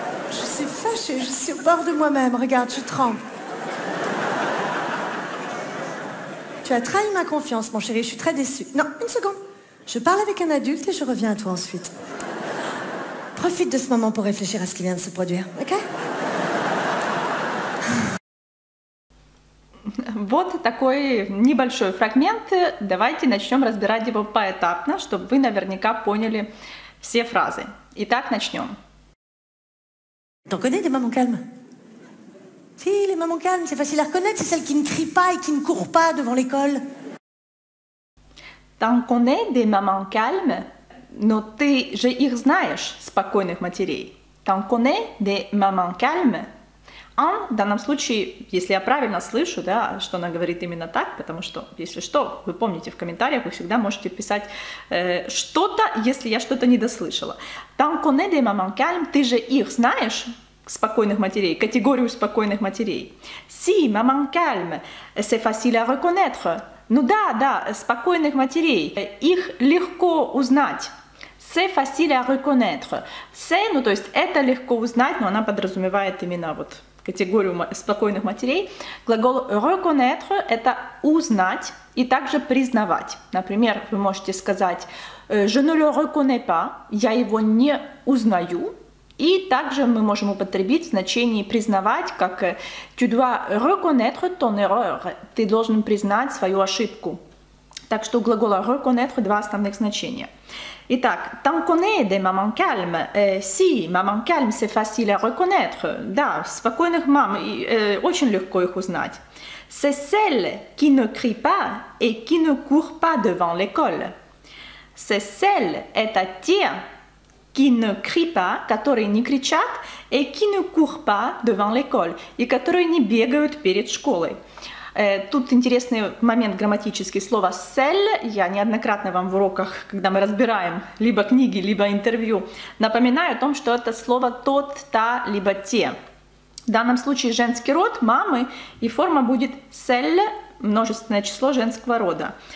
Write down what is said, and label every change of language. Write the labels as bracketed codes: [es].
[fr] Je suis au bord de moi-même, regarde, je tremble. Tu as trahi ma confiance, mon chéri, je suis très déçue. Non, une seconde. Je parle avec un adulte et je reviens à toi ensuite. Profite de ce moment pour réfléchir à ce qui vient de se produire, ok? [ru] Вот такой небольшой фрагмент. Давайте начнем разбирать его поэтапно, чтобы вы наверняка поняли все фразы. Итак, начнем. [fr] T'en connais des mamans calmes? Si, les mamans calmes, c'est facile à reconnaître, c'est celles qui ne crient pas et qui ne courent pas devant l'école. T'en connais des mamans calmes? [ru] Но ты же их знаешь, спокойных матерей. [fr] T'en connais des mamans calmes? [ru] En данном случае, если я правильно слышу, да, что она говорит именно так, потому что, если что, вы помните в комментариях, вы всегда можете писать что-то, если я что-то недослышала. Там [fr] connais des mamans calmes, [ru] ты же их знаешь, спокойных матерей, категорию спокойных матерей. [fr] Si, maman calme, c'est facile à reconnaître. [ru] Ну да, да, спокойных матерей, их легко узнать. [fr] C'est facile à reconnaître. C'est, [ru] ну то есть это легко узнать, но она подразумевает именно вот... категорию спокойных матерей. Глагол reconnaître – это узнать и также признавать. Например, вы можете сказать [fr] «Je ne le reconnais pas» [ru] – «Я его не узнаю». И также мы можем употребить в значении признавать, как [fr] «Tu dois reconnaître ton erreur» [ru] – «Ты должен признать свою ошибку». Так что у глагола reconnaître два основных значения. Итак, [fr] t'en connais des mamans calmes? Si, mamans calmes, c'est facile à reconnaître. [ru] Да, спокойных мам очень легко их узнать. [fr] C'est celle qui ne crie pas et qui ne court pas devant l'école. C'est celle, [ru] это те, [fr] qui ne crie pas, [ru] которые не кричат, [fr] et qui ne court pas devant l'école, [ru] и которые не бегают перед школой. Тут интересный момент грамматический. Слово «cell» я неоднократно вам в уроках, когда мы разбираем либо книги, либо интервью, напоминаю о том, что это слово «тот», «та», либо «те». В данном случае женский род мамы, и форма будет «селле» – множественное число женского рода.